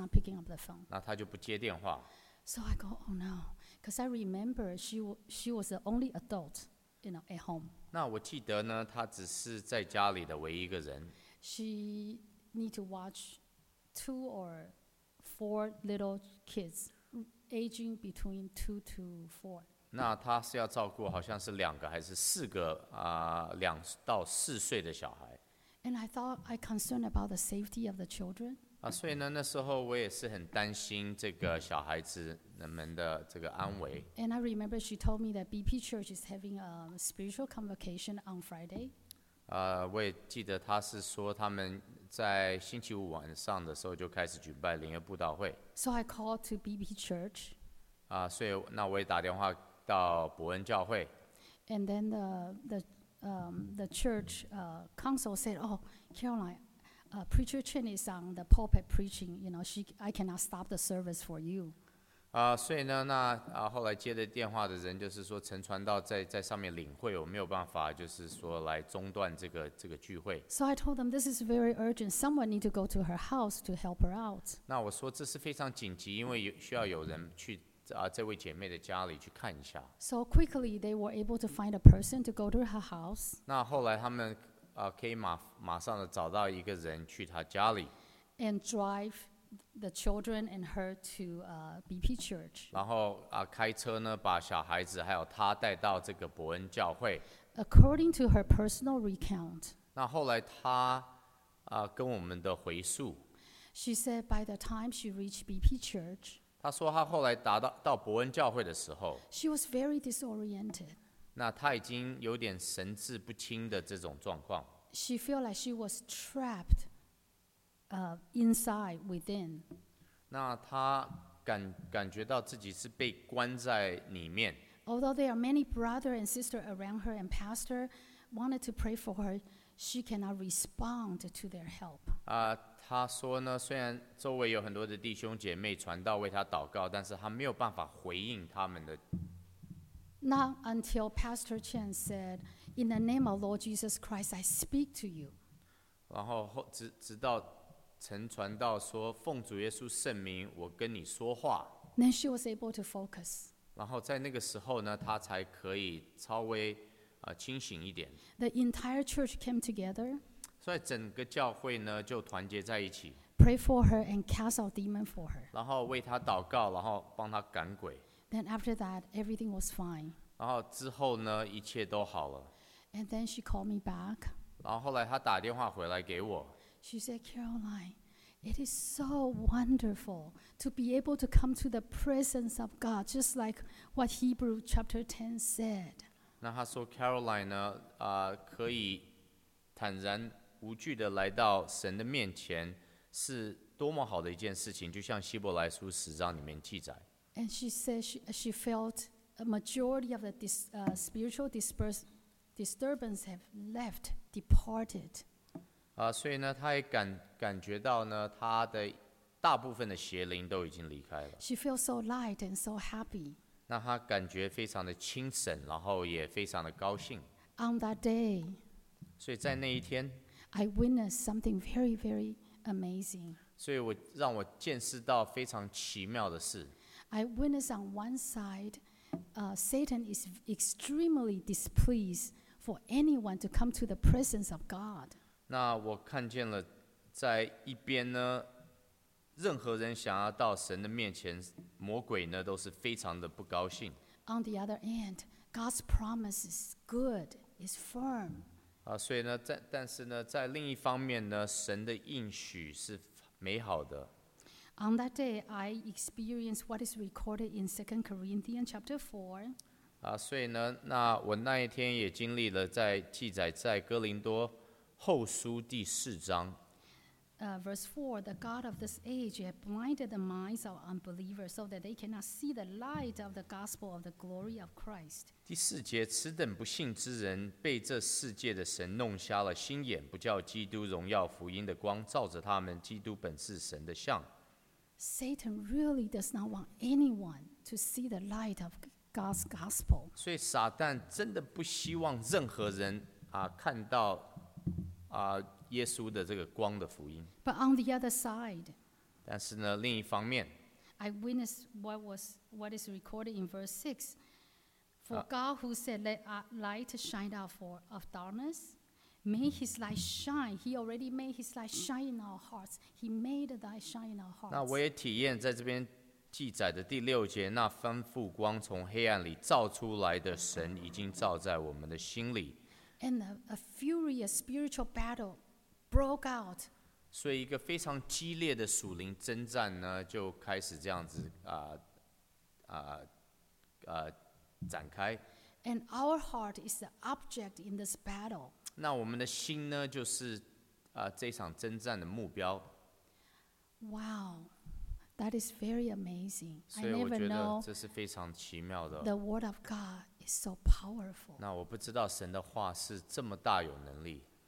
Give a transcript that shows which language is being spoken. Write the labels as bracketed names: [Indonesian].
[English] She's not picking up the phone. [Chinese] 那她就不接电话。 [English] So I go, oh no, because I remember she was the only adult, you know, at home. [Chinese] 那我记得呢，她只是在家里的唯一一个人。 [English] She need to watch 2 or 4 little kids, aging between 2 to 4. [Chinese] 那她是要照顾好像是2个还是4个2到4岁的小孩。 [English] And I thought I concerned about the safety of the children. [Chinese] 所以呢，那时候我也是很担心这个小孩子们的这个安危。 [English] And I remember she told me that BP Church is having a spiritual convocation on Friday. [Chinese] 我也记得她是说他们在星期五晚上的时候就开始举办灵恩布道会。 [English] So I called to BP Church. [Chinese] 所以那我也打电话到伯恩教会。 [English] And then the church council said, "Oh, Caroline." Preacher Chen is on the pulpit preaching. You know, I cannot stop the service for you. [Chinese] 所以呢，那后来接的电话的人就是说，陈传道在上面领会，我没有办法，就是说来中断这个聚会。 [English] So I told them this is very urgent. Someone need to go to her house to help her out. [Chinese] 那我说这是非常紧急，因为需要有人去这位姐妹的家里去看一下。 [English] So quickly they were able to find a person to go to her house. [Chinese] 那后来他们。可以马上的找到一个人去他家里 [English] ，and drive the children and her to BP Church. [Chinese] 然后开车呢，把小孩子还有他带到这个伯恩教会。 [English] According to her personal recount. [Chinese] 那后来他跟我们的回溯 [English] ，she said by the time she reached BP Church. [Chinese] 他说他后来到伯恩教会的时候 [English] ，she was very disoriented. [Chinese] 那他已经有点神志不清的这种状况。 [English] She felt like she was trapped, inside within. [Chinese] 那他感觉到自己是被关在里面。 [English] Although there are many brothers and sisters around her and pastor wanted to pray for her, she cannot respond to their help. [Chinese] 他说呢，虽然周围有很多的弟兄姐妹传道为他祷告，但是他没有办法回应他们的。 [English] Not until Pastor Chen said, "In the name of Lord Jesus Christ, I speak to you." [Chinese] 然后直到陈传道说，奉主耶稣圣名，我跟你说话。 [English] Then she was able to focus. [Chinese] 然后在那个时候呢，她才可以稍微清醒一点。 [English] The entire church came together. [Chinese] 所以整个教会呢就团结在一起。 [English] pray for her and cast out demon for her. [Chinese] 然后为她祷告，然后帮她赶鬼。 [English] Then after that, everything was fine. [Chinese] 然后之后呢，一切都好了。 [English] And then she called me back. [Chinese] 然后后来她打电话回来给我。 [English] She said, Caroline, it is so wonderful to be able to come to the presence of God, just like what Hebrew chapter 10 said. [Chinese] 那她说 ，Caroline 呢，可以坦然无惧地来到神的面前，是多么好的一件事情，就像希伯来书十章里面记载。 [English] And she said she felt a majority of the spiritual disturbance have left, departed. [Chinese] 所以呢，她也感觉到呢，她的大部分的邪灵都已经离开了。 [English] She feels so light and so happy. [Chinese] 那她感觉非常的清醒，然后也非常的高兴。 [English] On that day, [Chinese] 所以在那一天 [English] ，I witnessed something very, very amazing. [Chinese] 所以我让我见识到非常奇妙的事。 [English] I witness on one side, Satan is extremely displeased for anyone to come to the presence of God. [Chinese] 那我看见了，在一边呢，任何人想要到神的面前，魔鬼呢都是非常的不高兴。 [English] On the other end, God's promise is good, is firm. [Chinese] 所以呢，但是呢，在另一方面呢，神的应许是美好的。 [English] On that day, I experienced what is recorded in 2 Corinthians chapter 4. [Chinese] 所以呢，那我那一天也经历了在记载在哥林多后书第四章。 [English] Verse 4, the God of this age has blinded the minds of unbelievers so that they cannot see the light of the gospel of the glory of Christ. [Chinese] 第四节，此等不信之人被这世界的神弄瞎了心眼，不叫基督荣耀福音的光照着他们，基督本是神的像。 [English] Satan really does not want anyone to see the light of God's gospel. [Chinese] 所以撒旦真的不希望任何人看到耶稣的这个光的福音。 [English] But on the other side, [Chinese] 但是呢，另一方面 [English] ，I witnessed what is recorded in verse 6. For God who said, "Let light shine out of darkness," may His light shine. He already made His light shine in our hearts. He made thy shine in our hearts. [Chinese] 那我也体验在这边记载的第六节，那吩咐光从黑暗里照出来的神已经照在我们的心里。 [English] And a furious spiritual battle broke out. [Chinese] 所以一个非常激烈的属灵征战呢，就开始这样子展开。 [English] And our heart is the object in this battle. [Chinese] 那我们的心呢，就是这场征战的目标。 [English] Wow, that is very amazing. I never know. [Chinese] 这是非常奇妙的。 [English] The word of God is so powerful. [Chinese] 那我不知道神的话是这么大有能力。